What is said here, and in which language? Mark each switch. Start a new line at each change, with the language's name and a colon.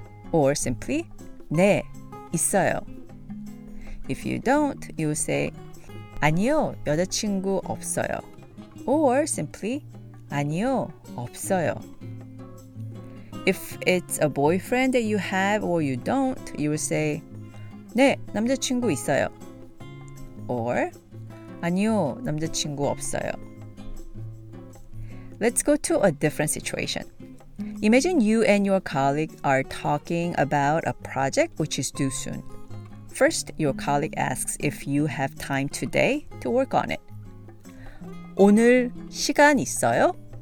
English: Or simply
Korean: 네, 있어요.
English: If you don't, you would say
Korean: 아니요, 여자친구 없어요.
English: Or simply
Korean: 아니요, 없어요.
English: If it's a boyfriend that you have or you don't, you will say
Korean: 네, 남자친구 있어요. Or 아니요, 남자친구 없어요.
English: Let's go to a different situation. Imagine you and your colleague are talking about a project which is due soon. First, your colleague asks if you have time today to work on it.
Korean: 오늘 시간 있어요?